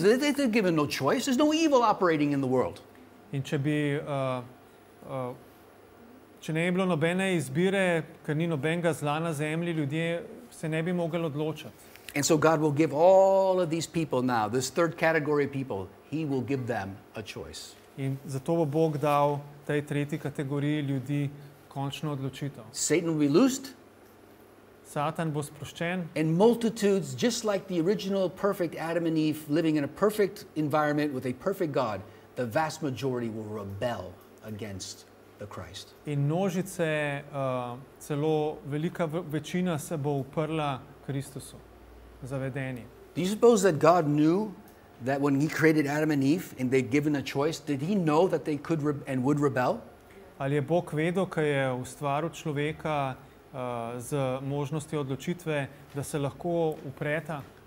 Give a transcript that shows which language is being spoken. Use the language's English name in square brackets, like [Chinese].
[English] They've given no choice. There's no evil operating in the world. [Slovenian] In če bi če ne bi bilo nobene izbire, ker ni nobenega zla na zemlji, ljudje se ne bi mogli odločati. [English] And so God will give all of these people now, this third category of people, he will give them a choice. [Slovenian] In zato bo Bog dal tej tretji kategoriji ljudi končno odločitev. [English] Satan will be loosed. [Slovenian] Satan bo sproščen. [English] And multitudes, just like the original perfect Adam and Eve, living in a perfect environment with a perfect God, the vast majority will rebel against the Christ. [Slovenian] In množice, celo velika večina se bo uprla Kristusu, zavedeni. [English] Do you suppose that God knew that when he created Adam and Eve and they'd given a choice, did he know that they could and would rebel? [Slovenian] Ali je Bog vedel, ko je ustvaril človeka z možnostjo odločitve, da se lahko upreta?